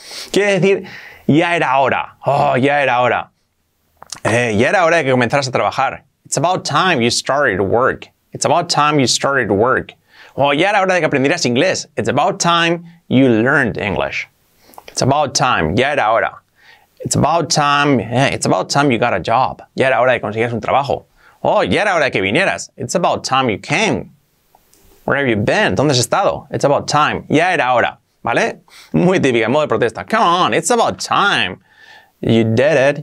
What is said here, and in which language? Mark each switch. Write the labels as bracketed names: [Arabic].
[Spanish] Quiere decir ya era hora. Oh, ya era hora. Ya era hora de que comenzaras a trabajar. [English] It's about time you started work. It's about time you started work. [Spanish] Oh, ya era hora de que aprendieras inglés. [English] It's about time you learned English. It's about time. [Spanish] Ya era hora. [English] It's about time you got a job. [Spanish] Ya era hora de que consiguieras un trabajo. Oh, ya era hora de que vinieras. [English] It's about time you came. Where have you been? [Spanish] ¿Dónde has estado? [English] It's about time. [Spanish] Ya era hora. ¿Vale? Muy típica, en modo de protesta. [English] Come on, it's about time. You did it.